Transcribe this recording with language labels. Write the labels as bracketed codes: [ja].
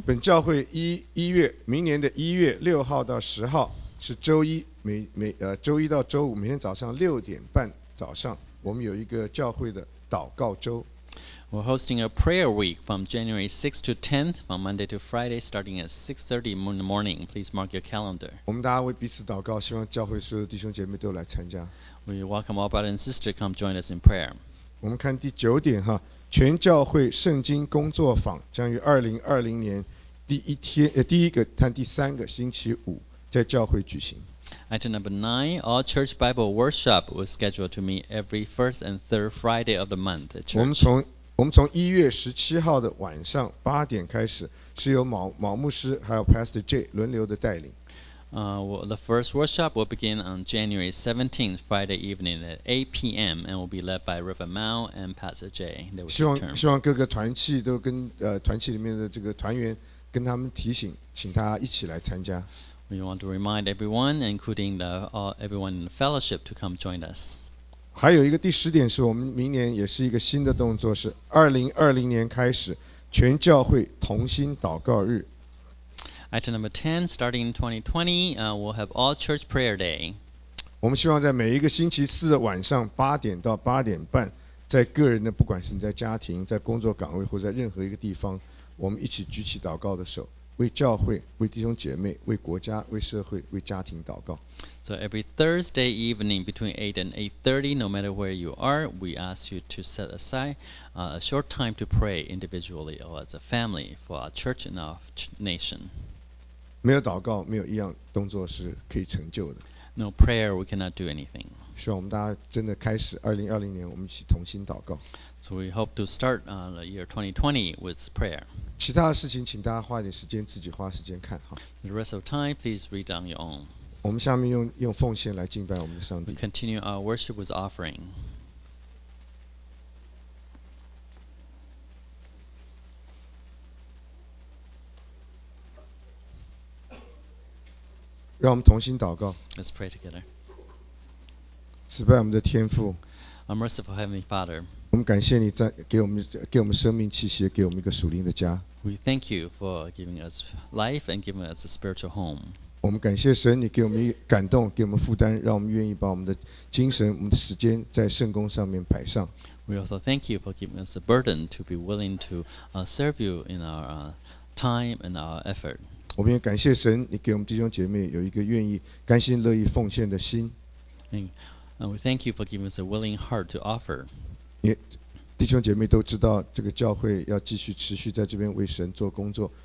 [zh] 本教会1月明年的1月6号到10号是周一，周一到周五，每天早上6:30早上，我们有一个教会的祷告周。 [en] We're hosting a prayer week from January 6th to 10th, from Monday to Friday, starting at 6:30 in the morning. Please mark your calendar. [zh] 我们大家为彼此祷告，希望教会所有弟兄姐妹都来参加。 [en] We welcome all brothers and sisters to come join us in prayer. [zh] 我们看第九点哈。全教会圣经工作坊将于2020年第一天第一个和第三个星期五在教会举行。 [en] Item number 9, All Church Bible Workshop was scheduled to meet every first and third Friday of the month at church. [zh] 我们从1月17号的晚上8:00开始，是由毛牧师还有 Pastor J 轮流的带领。 [en] The first workshop will begin on January 17th, Friday evening at 8 p.m. and will be led by Reverend Mao and Pastor Jay. [zh] 希望各个团契都跟团契里面的这个团员跟他们提醒，请他一起来参加。 [en] We want to remind everyone, including everyone in the fellowship, to come join us. [zh] 还有一个第十点是我们明年也是一个新的动作，是2020年开始全教会同心祷告日。 [en] Item number 10, starting in 2020, we'll have All Church Prayer Day. [zh] 我们希望在每一个星期四的晚上8:00 to 8:30，在个人的，不管是你在家庭、在工作岗位或在任何一个地方，我们一起举起祷告的手，为教会、为弟兄姐妹、为国家、为社会、为家庭祷告。 [en] So every Thursday evening between 8:00 and 8:30, no matter where you are, we ask you to set aside a short time to pray individually or as a family for our church and our nation. [zh] 没有祷告，没有一样动作是可以成就的。 [en] No prayer, we cannot do anything. [zh] 希望我们大家真的开始2020年，我们一起同心祷告。 [en] So we hope to start the year 2020 with prayer. [zh] 其他的事情，请大家花点时间自己花时间看哈。 [en] The rest of time, please read on your own. [zh] 我们下面 用奉献来敬拜我们的上帝。 [en] We continue our worship with offering. [zh] 让我们同心祷告。 [en] Let's pray together. [zh] 慈拜我们的天父。 [en] Our merciful Heavenly Father. [zh] 我们感谢你给我们生命气息，给我们一个属灵的家。 [en] We thank you for giving us life and giving us a spiritual home. [zh] 我们感谢神，你给我们感动，给我们负担，让我们愿意把我们的精神、我们的时间在圣工上面摆上。 [en] We also thank you for giving us a burden to be willing to serve you in our time and our effort. [zh] 我们也感谢神，你给我们弟兄姐妹有一个愿意、甘心乐意奉献的心。 [en] And we thank you for giving us a willing heart to offer. [zh] 弟兄姐妹都知道，这个教会要继续持续在这边为神做工作。